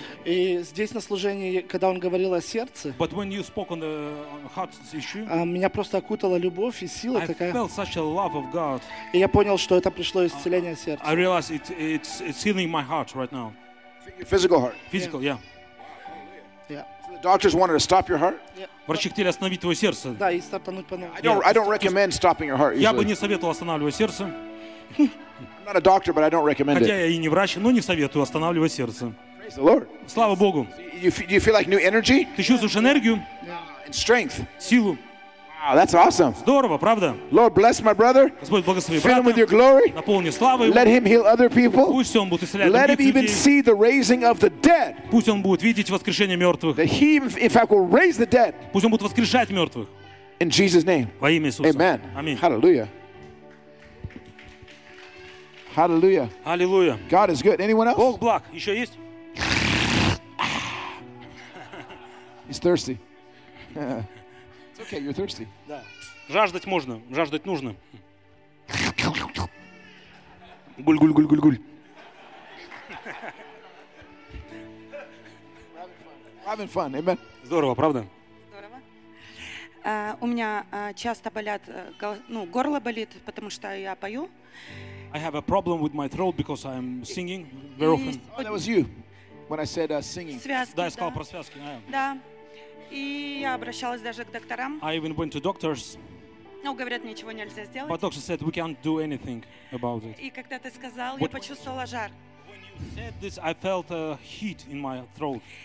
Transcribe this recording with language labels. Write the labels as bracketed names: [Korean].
[Russian] И здесь на служении, когда он говорил о сердце, [English] but when you spoke on the heart issue, [Russian] меня просто окутала любовь и сила [English] I [Russian] такая. [English] I felt such a love of God. [Russian] И я понял, что это пришло исцеление сердца. [English] I realized it's healing my heart right now. Physical heart. Physical, yeah. Doctors wanted to stop your heart. [Russian] Врачи хотели остановить твое сердце. Да, и стартануть по-новому. [English] I don't recommend stopping your heart. [Russian] Я бы не советовал останавливать сердце. [English] I'm not a doctor, but I don't recommend it. [Russian] Хотя я и не врач, но не советую останавливать сердце. [English] Praise the Lord. [Russian] Слава Богу. [English] You feel like new energy? [Russian] Ты чувствуешь энергию? [English] And strength. [Russian] Силу. [English] Wow, that's awesome. [Russian] Здорово, правда? [English] Lord bless my brother. [Russian] Господь благослови [English] брата. Fill him with your glory. [Russian] Наполни славой. [English] Let him heal other people. [Russian] Пусть он будет исцелять других людей. [English] Let him even see the raising of the dead. [Russian] Пусть он будет видеть воскрешение мертвых. [English] That he, in fact, will raise the dead. [Russian] Пусть он будет воскрешать мертвых. [English] In Jesus' name. [Russian] Во имя Иисуса. [English] Amen. [Russian] Аминь. [English] Hallelujah. Hallelujah. Hallelujah. God is good. Anyone else? [Russian] Бог благ. Еще есть? [English] He's thirsty. Okay, you're thirsty. [Russian] Да. Жаждать можно, жаждать нужно. Гуль-гуль-гуль-гуль-гуль. [English] Having fun, amen. [Russian] Здорово, правда? Здорово. У меня часто болят, горло болит, потому что я пою. [English] I have a problem with my throat because I'm singing very often. Oh, that was you when I said singing. [Russian] Связки, да, я сказал про связки. Да. И я обращалась даже к докторам. [English] I even went to doctors. [Russian] Но говорят, ничего нельзя сделать. [English] But doctors said we can't do anything about it. [Russian] И когда ты сказал, я почувствовала жар. [English] When you said this, I felt a heat in my throat.